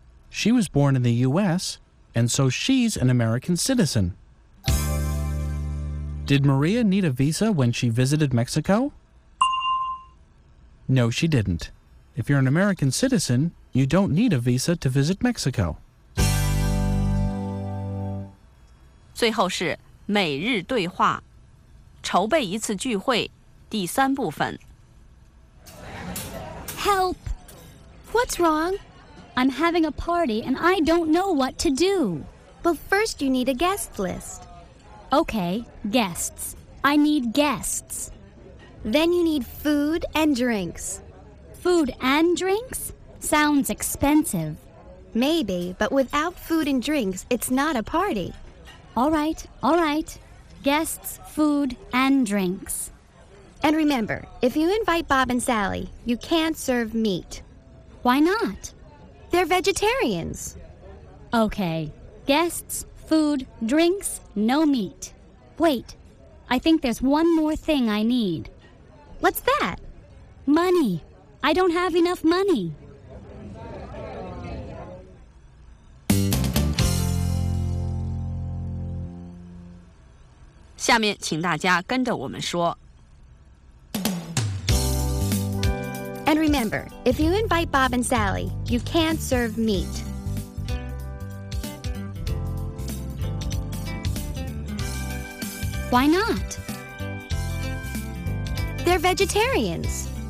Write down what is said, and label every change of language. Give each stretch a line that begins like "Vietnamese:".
English: She was born in the U.S., and so she's an American citizen. Did Maria need a visa when she visited Mexico? No, she didn't. If you're an American citizen, you don't need a visa to visit Mexico.
Chinese: 最后是每日对话，筹备一次聚会，第三部分。
English: Help! What's wrong? I'm having a party and I don't know what to do. But first you need a guest list. Okay, guests. I need guests. Then you need food and drinks. Food and drinks? Sounds expensive. Maybe, but without food and drinks, it's not a party. All right, all right. Guests, food, and drinks. And remember, if you invite Bob and Sally, you can't serve meat. Why not? They're vegetarians. Okay. Guests, food, drinks, no meat. Wait, I think there's one more thing I need. What's that? Money. I don't have enough money.
Chinese: 下面请大家跟着我们说。
English: And remember, if you invite Bob and Sally, you can't serve meat. Why not? They're vegetarians.